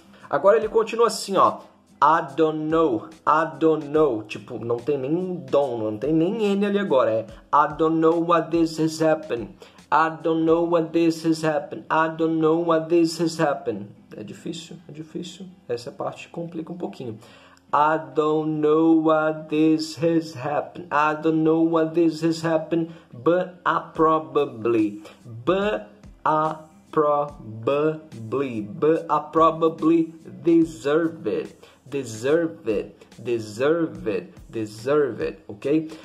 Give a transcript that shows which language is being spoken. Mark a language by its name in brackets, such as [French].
[Portuguese] Agora ele continua assim, ó. [English] I don't know, I don't know. [Portuguese] Tipo, não tem nem don, não tem nem N ali agora. [English] É I don't know what this has happened. I don't know what this has happened. I don't know what this has happened. [Portuguese] É difícil, essa parte complica um pouquinho. [English] I don't know what this has happened. I don't know what this has happened, but I probably, but I probably, but I probably deserve it, deserve it, deserve it, deserve it, okay?